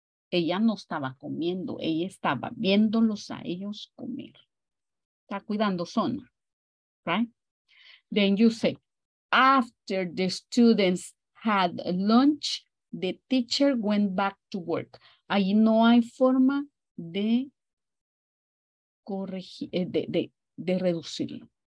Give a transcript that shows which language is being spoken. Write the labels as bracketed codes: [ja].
[es] Ella no estaba comiendo, ella estaba viéndolos a ellos comer. Está cuidando zona, [en] right? Then you say, after the students had lunch, the teacher went back to work. [es] Ahí no hay forma de corregir, de reducirlo.